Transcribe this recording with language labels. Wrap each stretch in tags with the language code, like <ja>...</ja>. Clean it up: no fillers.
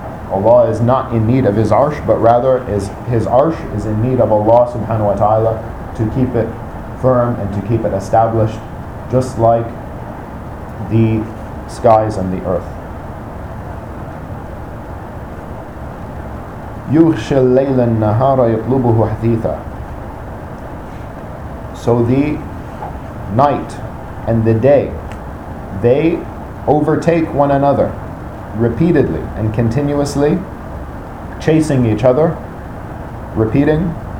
<en>Allah is not in need of His arsh, but rather is His arsh is in need of Allah subhanahu wa ta'ala to keep it firm and to keep it established, just like the skies and the earth.</en> <ar>يغشى الليل النهار يطلبه حثيثا.</ar> <en>So the night and the day, they overtake one another repeatedly and continuously, chasing each other, repeating.</en>